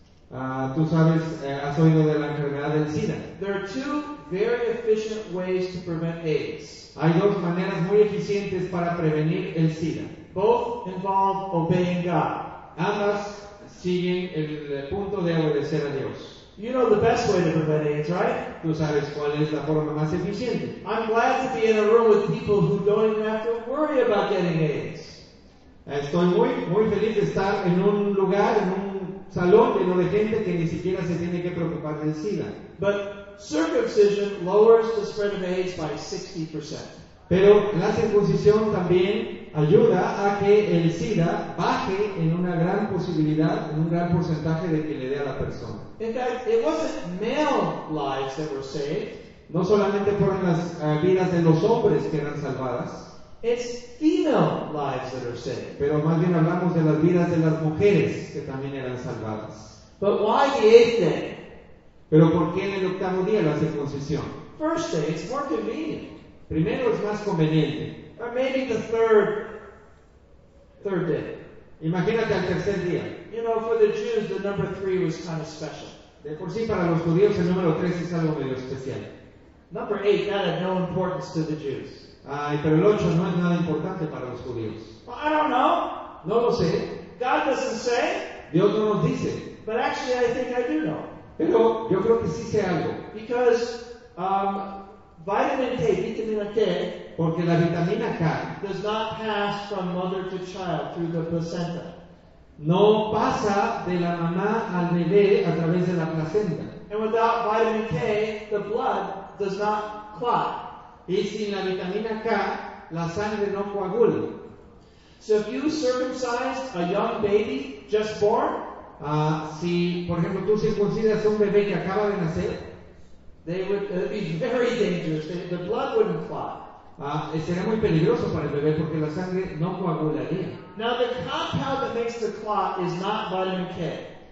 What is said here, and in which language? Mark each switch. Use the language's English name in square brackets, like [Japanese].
[Spanish] ¿Tú sabes, has oído de la enfermedad del SIDA? [English] There are two very efficient ways to prevent AIDS. [Spanish] Hay dos maneras muy eficientes para prevenir el SIDA. [English] Both involve obeying God. [Spanish] Ambas siguen el punto de obedecer a Dios. [English] You know the best way to prevent AIDS, right? [Spanish] Tú sabes cuál es la forma más eficiente. [English] I'm glad to be in a room with people who don't even have to worry about getting AIDS. [Spanish] Estoy muy feliz de estar en un lugar, en un salón lleno de gente que ni siquiera se tiene que preocupar del SIDA. [English] But circumcision lowers the spread of AIDS by 60%. [Spanish] Pero la circuncisión también ayuda a que el SIDA baje en una gran posibilidad, en un gran porcentaje de que le dé a la persona. [English] In fact, it wasn't male lives that were saved. [Spanish] No solamente fueron las vidas de los hombres que eran salvadas. [English] It's female lives that are saved. [Spanish] Pero más bien hablamos de las vidas de las mujeres que también eran salvadas. [English] But why the eighth day? [Spanish] Pero ¿por qué en el octavo día la circuncisión? [English] First day, it's more convenient. [Spanish] Primero es más conveniente. [English] Or maybe the third day. [Spanish] Imagínate al tercer día. [English] You know, for the Jews, the number three was kind of special. [Spanish] De por sí, para los judíos, el número tres es algo medio especial. [English] Number eight, that had no importance to the Jews. [Spanish] Ay, pero el 8 no es nada importante para los judíos. [English] But I don't know. [Spanish] No lo sé. [English] God doesn't say. [Spanish] Dios no nos dice. [English] But actually, I think I do know. [Spanish] Pero yo creo que sí sé algo. [English] Because vitamin K, vitamina K, [Spanish] porque la vitamina K [English] does not pass from mother to child through the placenta. [Spanish] No pasa de la mamá al bebé a través de la placenta. [English] And without vitamin K, the blood does not clot. [Spanish] Y sin la vitamina K, la sangre no coagula. [English] So if you circumcised a young baby just born, [Spanish] si por ejemplo tú circuncidas a un bebé que acaba de nacer, [English] it would be very dangerous. The blood wouldn't clot. [Spanish] Sería muy peligroso para el bebé porque la sangre no coagularía. [English] Now the compound that makes the clot is not vitamin K.